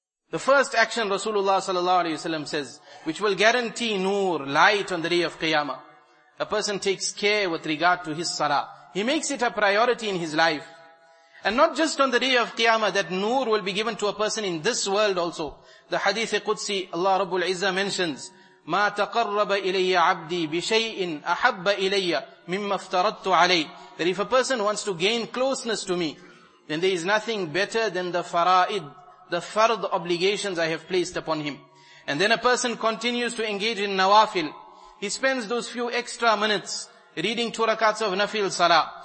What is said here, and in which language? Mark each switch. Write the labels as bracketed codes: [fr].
[en] The first action Rasulullah sallallahu alayhi wasallam says, which will guarantee nur, light on the day of Qiyamah. A person takes care with regard to his salah. He makes it a priority in his life. And not just on the day of Qiyamah, that nur will be given to a person in this world also. The hadith Qudsi, Allah Rabbul Izzah mentions, [ar] مَا تَقَرَّبَ إِلَيَّ عَبْدِي بِشَيْءٍ أَحَبَّ إِلَيَّ مِمَّ افْتَرَدْتُ عَلَيْهِ. [en] That if a person wants to gain closeness to me, then there is nothing better than the fara'id, the fard obligations I have placed upon him. And then a person continues to engage in nawafil. He spends those few extra minutes reading two rakats of nafil salah.